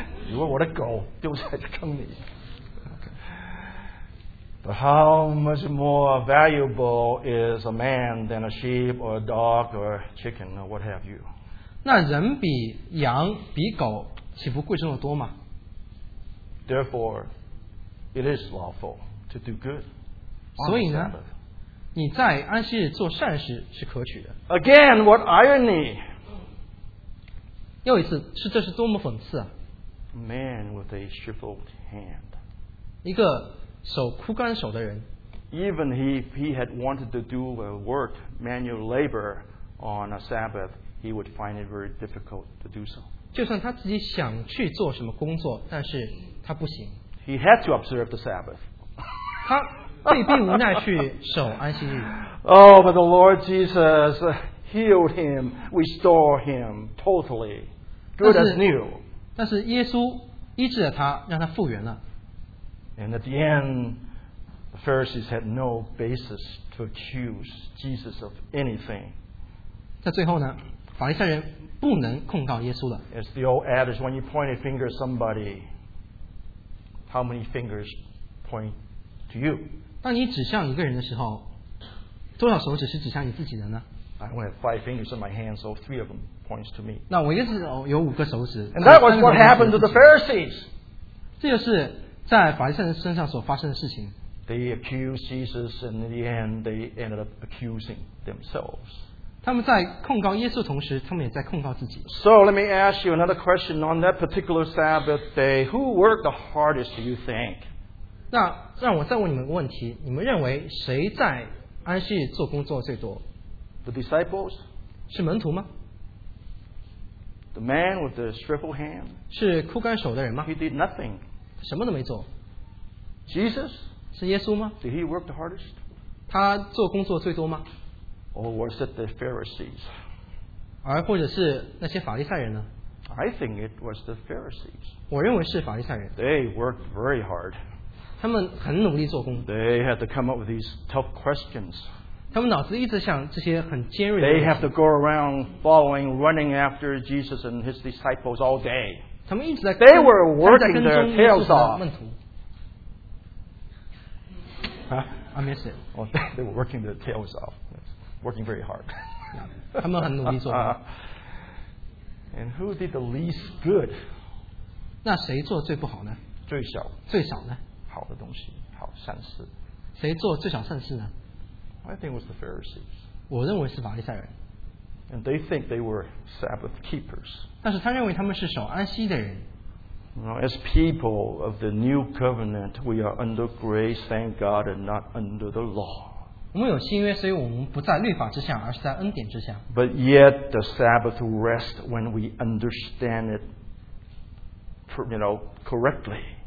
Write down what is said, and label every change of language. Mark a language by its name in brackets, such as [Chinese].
[Chinese] 如果我的狗丢在坑里 [English] But how much more valuable is a man than a sheep or a dog or chicken or what have you? [Chinese] 那人比羊比狗岂不贵重的多吗？ [English] Therefore, it is lawful to do good. [Chinese] 所以呢，你在安息日做善事是可取的。 [English] Again, what irony! [Chinese] 又一次，是这是多么讽刺啊 [English] ！Man with a shriveled hand， [Chinese] 一个手枯干手的人。 [English] Even he had wanted to do a work manual labor on a Sabbath, he would find it very difficult to do so. [Chinese] 就算他自己想去做什么工作，但是他不行。 [English] He had to observe the Sabbath. [Chinese] 他被逼无奈去守安息日。 [English] Oh, but the Lord Jesus. Healed him, restore him totally, good as new. [Chinese] 但是耶稣医治了他，让他复原了。 [English] And at the end, the Pharisees had no basis to accuse Jesus of anything. [Chinese] 在最后呢，法利赛人不能控告耶稣了。 [English] It's the old adage: when you point a finger at somebody, how many fingers point to you? [Chinese] 当你指向一个人的时候，多少手指是指向你自己的呢？ [English] I only have five fingers in my hand, so three of them points to me. [Chinese] 那我也是有五个手指。 [English] And that was what happened to the Pharisees. [Chinese] 这就是在法利赛人身上所发生的事情。 [English] They accused Jesus, and in the end, they ended up accusing themselves. [Chinese] 他们在控告耶稣同时，他们也在控告自己。 [English] So let me ask you another question on that particular Sabbath day. Who worked the hardest, do you think? [Chinese] 那让我再问你们个问题：你们认为谁在安息日做工作最多？ [English] The disciples? [Chinese] 是门徒吗？ [English] The man with the shriveled hand? [Chinese] 是枯干手的人吗？ [English] He did nothing. [Chinese] 什么都没做。 [English] Jesus? [Chinese] 是耶稣吗？ [English] Did he work the hardest? [Chinese] 他做工作最多吗？ [English] Or was it the Pharisees? [Chinese] 而或者是那些法利赛人呢？ [English] I think it was the Pharisees. [Chinese] 我认为是法利赛人。 [English] They worked very hard. [Chinese] 他们很努力做工。 [English] They had to come up with these tough questions. [Chinese] 他们脑子一直想这些很尖锐的。 [English] They have to go around following, running after Jesus and his disciples all day. They were working their tails off. I miss it. Well, they were working their tails off, working very hard. And who did the least good? [Chinese] 那谁做最不好呢? 最小, 最小呢? 好的东西, 好善事。谁做最小善事呢? [English] I think it was the Pharisees. [Chinese] 我认为是法利赛人。 [English] And they think they were Sabbath keepers. [Chinese] 但是他认为他们是守安息的人。 [English] You know, as people of the new covenant, we are under grace, thank God, and not under the law. [Chinese] 我们有新约，所以我们不在律法之下，而是在恩典之下。 [English] But yet the Sabbath rest when we understand it, you know, correctly.